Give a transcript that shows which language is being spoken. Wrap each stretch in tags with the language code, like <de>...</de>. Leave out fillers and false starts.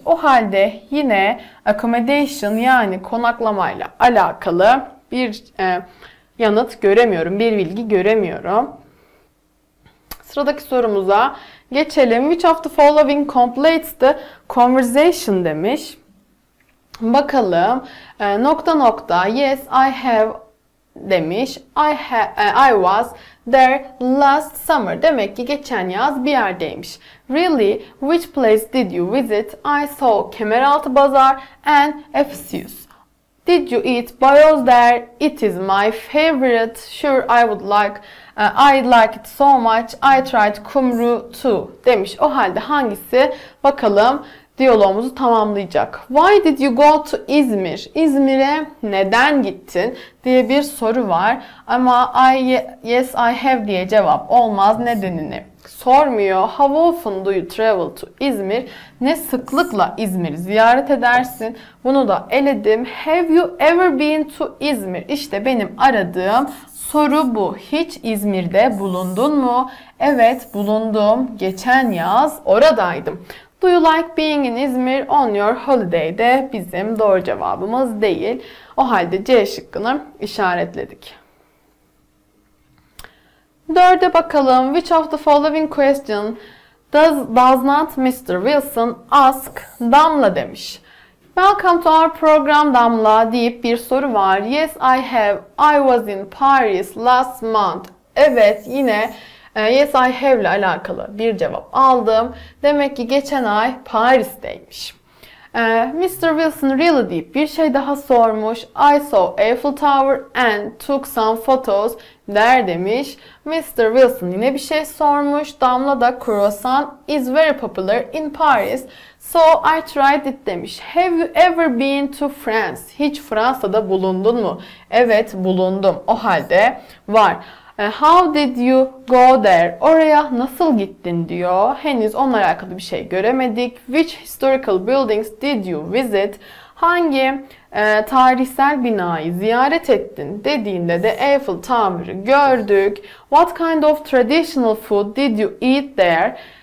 <tr>O halde yine accommodation yani konaklamayla alakalı bir yanıt göremiyorum. Bir bilgi göremiyorum. Sıradaki sorumuza geçelim.</tr> <en>Which of the following completes the conversation demiş.</en> <tr>Bakalım. Nokta nokta.</tr> <en>Yes, I have</en> <tr>demiş.</tr> <en>I was there last summer.</en> <tr>Demek ki geçen yaz bir yerdeymiş.</tr> <en>Really, which place did you visit? I saw Kemeraltı Bazar and Efesus. Did you eat Boyoz there? It is my favorite. Sure, I like it so much. I tried Kumru too</en> <tr>demiş. O halde hangisi bakalım diyaloğumuzu tamamlayacak.</tr> <en>Why did you go to İzmir?</en> <tr>İzmir'e neden gittin diye bir soru var. Ama</tr> <en>yes I have</en> <tr>diye cevap olmaz nedenini sormuyor.</tr> <en>How often do you travel to İzmir?</en> <tr>Ne sıklıkla İzmir'i ziyaret edersin? Bunu da eledim.</tr> <en>Have you ever been to İzmir?</en> <tr>İşte benim aradığım soru bu. Hiç İzmir'de bulundun mu? Evet, bulundum. Geçen yaz oradaydım.</tr> <en>Do you like being in İzmir on your holiday'de?</en> <tr>Bizim doğru cevabımız değil. O halde C şıkkını işaretledik. Dörde bakalım.</tr> <en>Which of the following question does not Mr. Wilson ask Damla demiş. Welcome to our program Damla</en> <tr>deyip bir soru var.</tr> <en>Yes, I was in Paris last month.</en> <tr>Evet, yine</tr> <en>yes, I have</en> <tr>ile alakalı bir cevap aldım. Demek ki geçen ay Paris'teymiş. Mr. Wilson really deyip bir şey daha sormuş.</tr> <en>I saw Eiffel Tower and took some photos there demiş. Mr. Wilson</en> <tr>yine bir şey sormuş.</tr> <en>Damla da croissant is very popular in Paris. So I tried it demiş. Have you ever been to France?</en> <tr>Hiç Fransa'da bulundun mu? Evet bulundum. O halde var.</tr> <en>How did you go there?</en> <tr>Oraya nasıl gittin diyor. Henüz onunla alakalı bir şey göremedik.</tr> <en>Which historical buildings did you visit?</en> <tr>Hangi tarihsel binayı ziyaret ettin dediğinde de Eiffel Tower'ı gördük.</tr> <en>What kind of traditional food did you eat there?</en>